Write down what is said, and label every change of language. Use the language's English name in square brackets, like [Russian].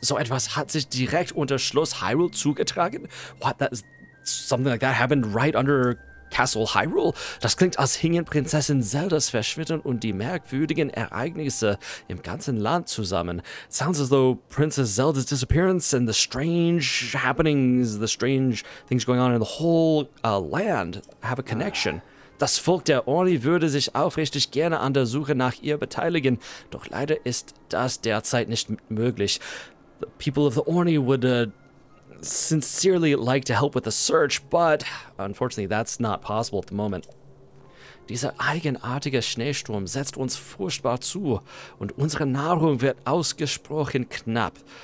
[German] So etwas hat sich direkt unter Schloss Hyrule zugetragen? [English] What? That is something like that happened right under Castle Hyrule? [German] Das klingt, als hingen Prinzessin Zeldas Verschwinden und die merkwürdigen Ereignisse im ganzen Land zusammen. [English] Sounds as though Princess Zelda's disappearance and the strange happenings, the strange things going on in the whole land have a connection. [German] Das Volk der Orni würde sich aufrichtig gerne an der Suche nach ihr beteiligen, doch leider ist das derzeit nicht möglich. [English] The people of the Orni would sincerely like to help with the search, but unfortunately that's not possible at the moment. [German] Dieser eigenartige Schneesturm setzt uns furchtbar zu und unsere Nahrung wird ausgesprochen knapp.